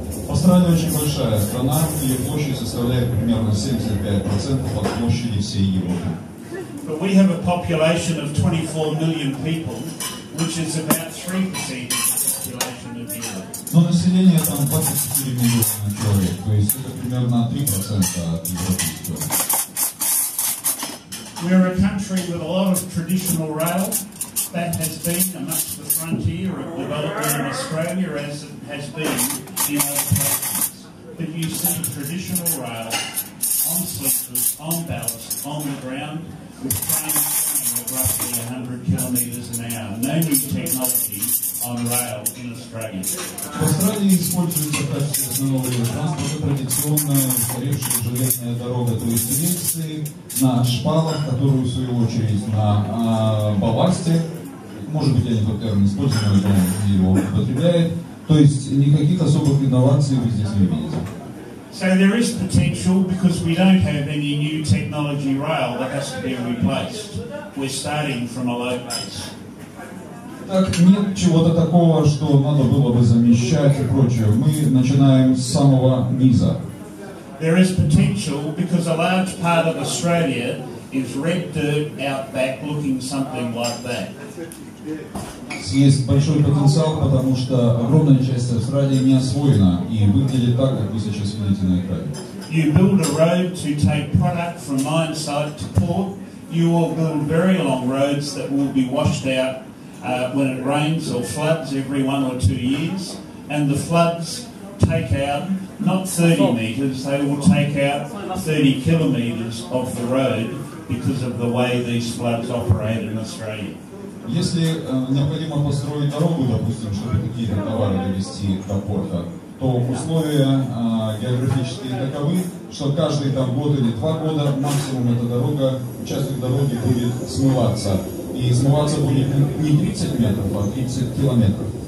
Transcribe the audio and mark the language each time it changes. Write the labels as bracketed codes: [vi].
[ru] Австралия очень большая страна, ее площадь составляет примерно 75% от площади всей Европы. [en] But we have a population of 24 million people, which is about 3% of the population of Europe. [ru] Но население там 24 миллиона человек, то есть это примерно 3% от европейского. [en] We are a country with a lot of traditional rail. That has been amongst the frontier of development in Australia, as it has been in other places. But you see traditional rail on sleepers, on ballast, on the ground, with trains going at roughly 100 kilometres an hour. No new technology on rail in Australia. [ru] В Австралии используется в качестве основного транспорта традиционная устаревшая железная дорога, то есть рельсы на шпалах, которые в свою очередь на балласте. Может быть, я не повторю, использую, но он его употребляет. То есть никаких особых инноваций вы здесь не видите. [en] So there is potential because we don't have any new technology rail that has to be replaced. We're starting from a low base. [ru] Так, нет чего-то такого, что надо было бы замещать и прочее. Мы начинаем с самого низа. [en] There is potential because a large part of Australia is red dirt out back looking something like that. [ru] Есть большой потенциал, потому что огромная часть Австралии не освоена и выглядит так, как вы сейчас видите на экране. [en] You build a road to take product from mine site to port. You will build very long roads that will be washed out when it rains or floods every 1 or 2 years. And the floods take out not 30 meters, they will take out 30 kilometers of the road because of the way these floods operate in Australia. [ru] Если необходимо построить дорогу, допустим, чтобы какие-то товары довести до порта, то условия географические таковы, что каждый там год или 2 года максимум эта дорога, участок дороги будет смываться. И смываться будет не 30 метров, а 30 километров.